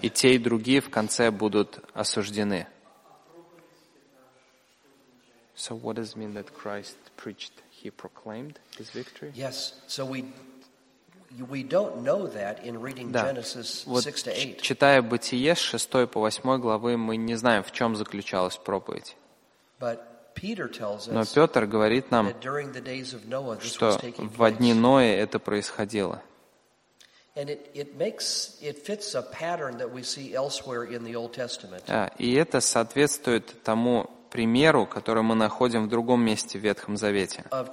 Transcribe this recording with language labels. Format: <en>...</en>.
<ru>И те, и другие в конце будут осуждены.</ru> <en>So what does it mean that Christ preached, he proclaimed his victory? Yes. So we don't know that in reading Genesis 6-8.</en> <ru>Читая Бытие с 6 по 8 главы, мы не знаем, в чем заключалась проповедь. Но Петр говорит нам, что в дни Ноя это происходило. И это соответствует тому примеру, который мы находим в другом месте в Ветхом Завете.</ru>